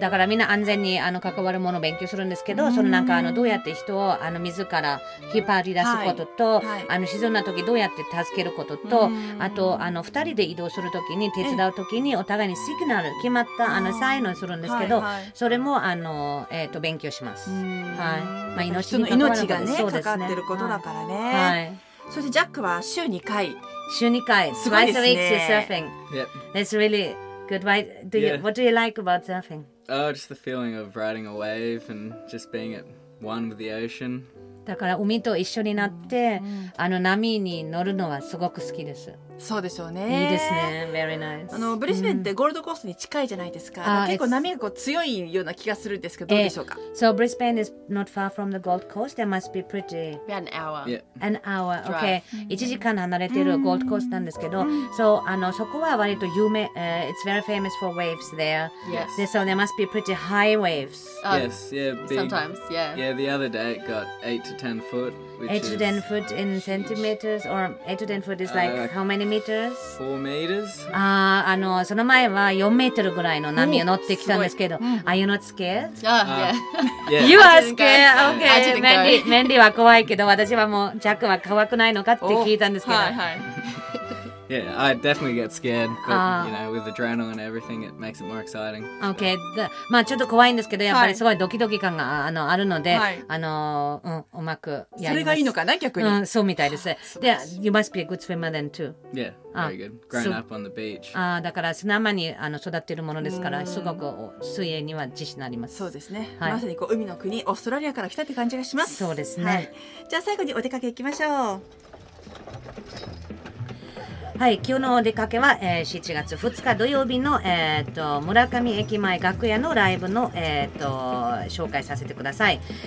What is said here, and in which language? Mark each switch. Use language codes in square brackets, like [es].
[ja] だからみんな安全にあの関わるものを勉強するんですけど、そのなんかあのどうやって人をあの自ら引っ張り出すことと、あの沈んだ時どうやって助けることと、あとあの二人で移動する時に手伝う時にお互いにシグナル決まったあのサインをするんですけど、それもあの勉強します。はい。まあ命に関わることですね。人の命がね、かかってることだからね。はい。そしてジャックは週2回。週2回、 [en] twice a week to surfing. That's really good. Why, do you, what do you like about surfing? Oh, just the feeling of riding a wave and just being at one with the ocean. [ja] だから海と一緒になって、あの波に乗るのはすごく好きです。そうでしょうね。いいですね。 [en] Very nice. [ja] あのブリスベンってゴールドコーストに近いじゃないですか。結構波がこう強いような気がするんですけど、どうでしょうか。 [en] So Brisbane is not far from the Gold Coast. There must be pretty. About an hour. Yeah. An hour. Okay. [ja] 1時間離れてるゴールドコーストなんですけど、so あのそこは割と有名。 [en] It's very famous for waves there. Yes. So there must be pretty high waves. Yes. Yeah. Sometimes. Yeah. Yeah. The other day it got 8 to 10 foot. 8 to 10 foot in centimeters or 8 to 10 foot is like how many? 4 meters? [ja] あの、その前は4メートルぐらいの波を乗ってきたんですけど、 [en] Are you not scared? Yeah. You are scared? Okay. [ja] Mandy は怖いけど、私はもう、ジャックは怖くないのかって聞いたんですけど。 [en] Yeah, I definitely get scared, but you know, with adrenaline and everything, it makes it more exciting. [ja] Okay, まあちょっと怖いんですけど、やっぱりすごいドキドキ感が あの、あるので、あの、うん、うまくやります。それがいいのかな、逆に。うん、そうみたいです。 [en] で、You must be a good swimmer then too. Yeah, very good. Growing up on the beach. [ja] ああ、だから砂浜にあの育っているものですから、すごく水泳には自信あります。そうですね。はい、まさにこう海の国、オーストラリアから来たって感じがします。そうですね。はい、じゃあ最後にお出かけ行きましょう。はい、今日のお出かけは、7月2日土曜日の、村上駅前楽屋のライブの、紹介させてください。